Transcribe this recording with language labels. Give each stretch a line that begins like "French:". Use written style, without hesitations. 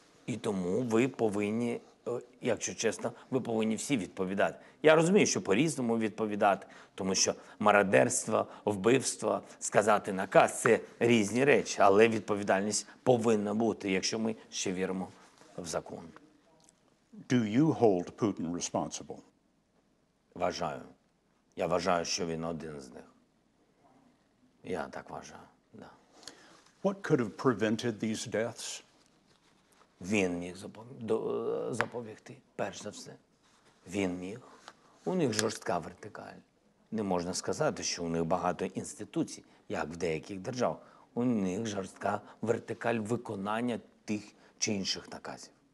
Ukrainian: І тому ви повинні, якщо чесно, ви повинні всі відповідати. Я розумію, що по-різному відповідати, тому що мародерство, вбивство, сказати наказ – це різні речі. Але відповідальність повинна бути, якщо ми ще віримо в закон.
English: Do you hold Putin responsible?
Ukrainian: Вважаю. Я вважаю, що він один з них. Я так вважаю, да.
English: What could have prevented these deaths?
Ukrainian: Він міг запобігти, перш за все. Він міг. У них жорстка вертикаль. Не можна сказати, що у них багато інституцій, як в деяких державах. У них жорстка вертикаль виконання тих чи інших наказів.